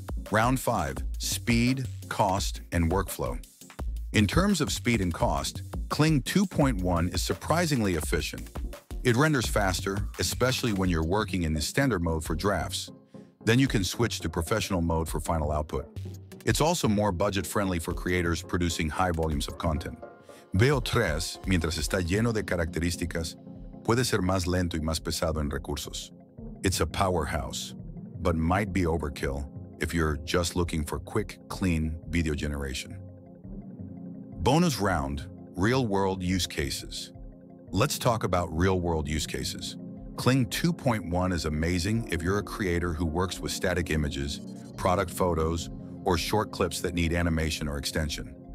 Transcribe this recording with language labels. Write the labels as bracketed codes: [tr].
[en] Round 5, speed, cost, and workflow. In terms of speed and cost, Kling 2.1 is surprisingly efficient. It renders faster, especially when you're working in the standard mode for drafts. Then you can switch to professional mode for final output. It's also more budget-friendly for creators producing high volumes of content. [es] Veo 3, mientras está lleno de características, puede ser más lento y más pesado en recursos. [en] It's a powerhouse, but might be overkill if you're just looking for quick, clean video generation. Bonus round, real-world use cases. Let's talk about real-world use cases. Kling 2.1 is amazing if you're a creator who works with static images, product photos, or short clips that need animation or extension.